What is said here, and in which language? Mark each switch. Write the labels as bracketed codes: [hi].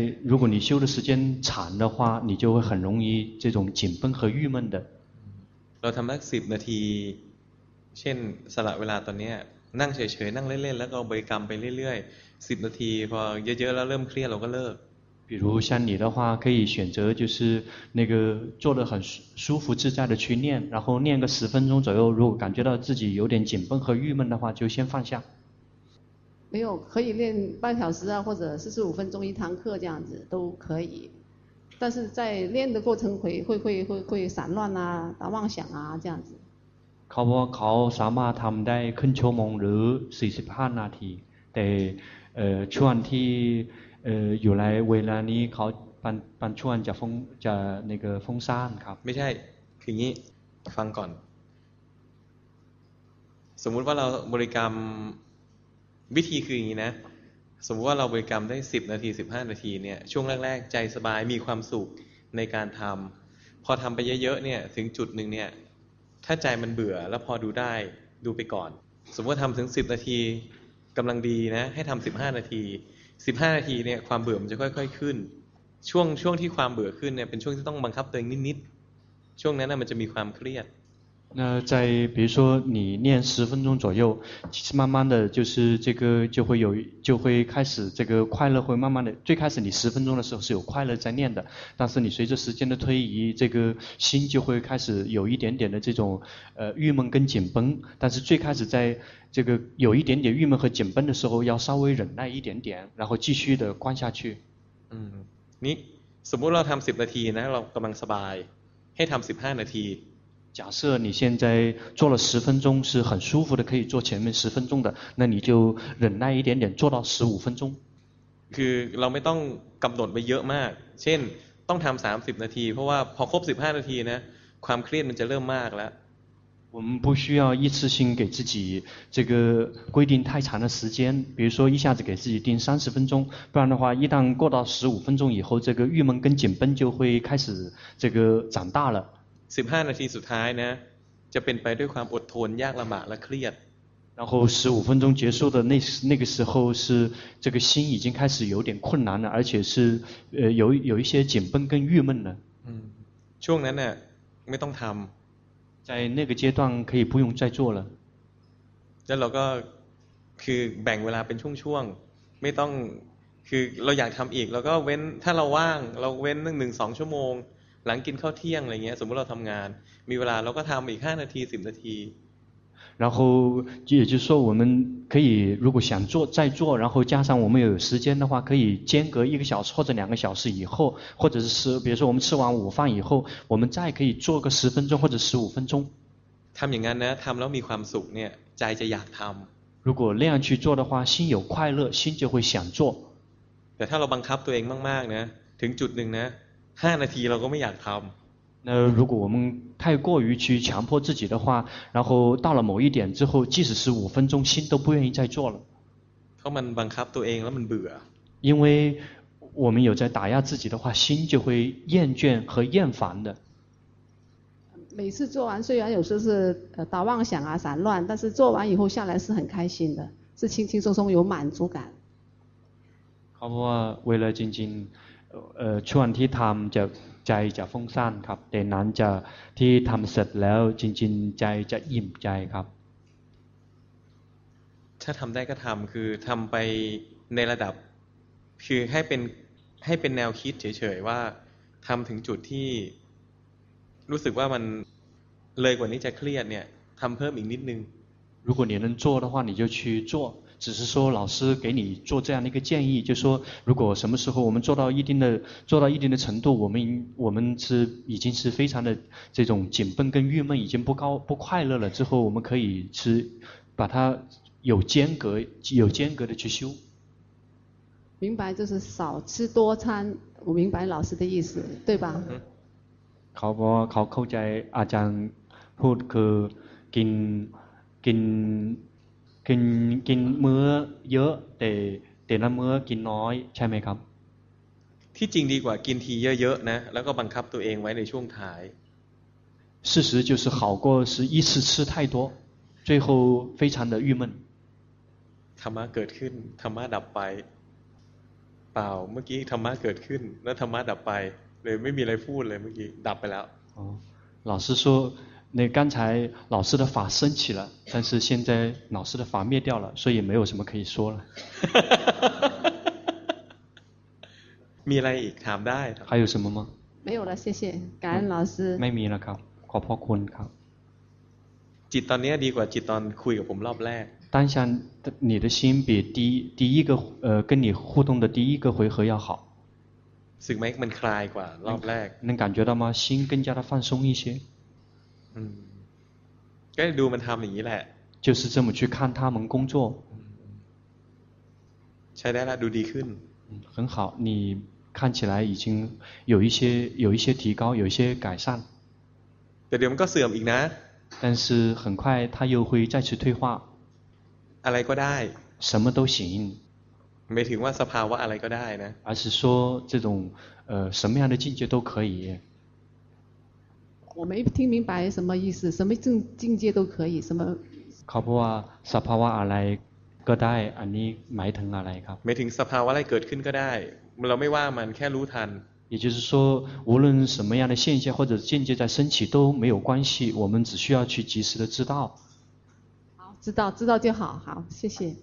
[zh] 如果你修的时间长的话你就会很容易这种紧绷和郁闷的 [th] เราทำสักสิบนาทีเช่นสละเวลาตอนนี้นั่งเฉยๆนั่งเล่นๆแล้วก็บริกรรมไปเรื่อยๆสิบนาทีพอเยอะๆแล้วเริ่มเครียดเราก็เลิก [zh] 比如像你的话可以选择就是那个坐得很舒服自在的去念然后念个十分钟左右如果感觉到自己有点紧绷和郁闷的话就先放下没有可以练半小时啊或者45分钟一堂课这样子都可以但是在练的过程会散乱啊打妄想啊这样子 [th] เขาบอกเขาสามารถทำได้ครึ่งชั่วโมงหรือ45 นาทีแต่ช่วงที่อยู่ในเวลานี้เขาบางช่วงจะนี่ก็ฟุ้งซ่านครับ ไม่ใช่คืองี้ฟังก่อนสมมุติว่าเราบริกรรมวิธีคืออย่างนี้นะสมมติว่าเราบริกรรมได้10 นาที 15 นาทีเนี่ยช่วงแรกๆใจสบายมีความสุขในการทำ พอทำไปเยอะๆเนี่ยถึงจุดหนึ่งเนี่ยถ้าใจมันเบื่อแล้วพอดูได้ดูไปก่อนสมมติทำถึง10นาทีกำลังดีนะให้ทำ15นาที15นาทีเนี่ยความเบื่อมันจะค่อยๆขึ้นช่วงที่ความเบื่อขึ้นเนี่ยเป็นช่วงที่ต้องบังคับตัวเองนิดๆช่วงนั้นน่ะมันจะมีความเครียด [zh] 那在比如说你念十分钟左右其实慢慢的就是这个就会开始这个快乐会慢慢的最开始你十分钟的时候是有快乐在念的但是你随着时间的推移这个心就会开始有一点点的这种郁闷跟紧绷但是最开始在这个有一点点郁闷和紧绷的时候要稍微忍耐一点点然后继续的观下去嗯你 [th] สมมุติเราทำ10นาทีนะเรากำลังสบายให้ทำ15นาที [zh] 假设你现在做了十分钟是很舒服的可以做前面十分钟的那你就忍耐一点点做到十五分钟 [th] คือเราไม่ต้องกำหนดไปเยอะมากเช่นต้องทำ30นาทีเพราะว่าพอครบ15นาทีนะความเครียดมันจะเริ่มมากแล้ว [zh] 我们不需要一次性给自己这个规定太长的时间比如说一下子给自己定30分钟不然的话一旦过到15分钟以后这个郁闷跟紧绷就会开始这个长大了 [th] 15นาทีสุดท้ายนะจะเป็นไปด้วยความอดทนยากลำบากและเครียด [zh] 然后15分钟结束的那个时候是这个心已经开始有点困难了而且是有一些紧绷跟郁闷了 [th] ช่วงนั้นน่ะไม่ต้องทำ [zh] 在那个阶段可以不用再做了 [th] แล้วเราก็คือแบ่งเวลาเป็นช่วงๆไม่ต้องคือเราอยากทำอีกเราก็เว้นถ้าเราว่างเราเว้นตั้ง1 2ชั่วโมงหลังกินข้าวเที่ยงอะไรเงี้ยสมมติเราทำงานมีเวลาเราก็ทำอีก5นาที10นาที [zh] 然后也就是说我们可以如果想做再做然后加上我们有时间的话可以间隔一个小时或者两个小时以后或者是比如说我们吃完午饭以后我们再可以做个10分钟或者15分钟 [th] ทำอย่างนั้นนะทำแล้วมีความสุขเนี่ยใจจะอยากทำ [zh] 如果那样去做的话心有快乐心就会想做 [th] แต่ถ้าเราบังคับตัวเองมากๆนะถึงจุดหนึ่งนะ5นาทีเราก็ไม่อยากทำ [zh] 那如果我们太过于去强迫自己的话然后到了某一点之后即使是5分钟心都不愿意再做了 [th] เพราะมันบังคับตัวเองแล้วมันเบื่อ [zh] 因为我们有在打压自己的话心就会厌倦和厌烦的每次做完虽然有时候是打妄想啊散乱但是做完以后下来是很开心的是轻轻松松有满足感好不好为了静静 [th] ช่วงที่ทำจะใจจะฟุ้งซ่านครับแต่นั้นจะที่ทำเสร็จแล้วจริงๆใจจะอิ่มใจครับ ถ้าทำได้ก็ทำคือทำไปในระดับคือให้เป็นแนวคิดเฉยๆว่าทำถึงจุดที่รู้สึกว่ามันเลยกว่านี้จะเครียดเนี่ยทำเพิ่มอีกนิดนึง [zh] 如果你能做的话你就去做只是说老师给你做这样的一个建议就是说如果什么时候我们做到一定的程度我们是已经是非常的这种紧绷跟郁闷已经不快乐了之后我们可以是把它有间隔的去修明白就是少吃多餐我明白老师的意思对吧考扣在阿江或者跟 [th] เมื่อเยอะแต่ละเมื่อกินน้อยใช่ไหมครับ ที่จริงดีกว่ากินทีเยอะๆนะแล้วก็บังคับตัวเองไว้ในช่วงท้าย [zh] 事实就是好过是一次吃太多最后非常的郁闷 [th] ธรรมะเกิดขึ้นธรรมะดับไปเปล่าเมื่อกี้ธรรมะเกิดขึ้นแล้วธรรมะดับไปเลยไม่มีอะไรพูดเลยเมื่อกี้ดับไปแล้ว [zh] 老师说那刚才老师的法升起了但是现在老师的法灭掉了所以没有什么可以说了 [th] มีอะไรอีกถามได้ [zh] 还有什么吗没有了谢谢感恩老师 [th] ไม่มีแล้วครับขอบพระคุณครับ จิตตอนนี้ดีกว่าจิตตอนคุยกับผมรอบแรก [zh] 当下你的心比第一个跟你互动的第一个回合要好 [th] สึกไหมมันคลายกว่ารอบแรก [zh] 能感觉到吗心更加的放松一些 [th] ก็ดูมันทำอย่างนี้แหละ [zh] 就是这么去看他们工作 [th] ใช้ได้แล้วดูดีขึ้น [zh] 很好你看起来已经有一些提高有一些改善 [th] แต่เดี๋ยวมันก็เสื่อมอีกนะ [zh] 但是很快它又会再次退化 [th] อะไรก็ได้ [zh] 什么都行 [th] ไม่ถึงว่าสภาวะอะไรก็ได้นะ [zh] 而是说这种什么样的境界都可以我没听明白什么意思，什么境界都可以，什么？ [th] เขาบอกว่าสภาวะอะไรก็ได้อันนี้หมายถึงอะไรครับ หมายถึงสภาวะอะไรเกิดขึ้นก็ได้เราไม่ว่ามันแค่รู้ทัน [zh] 也就是说无论什么样的现象或者境界在升起都没有关系我们只需要去及时的知道好知道知道就好好谢谢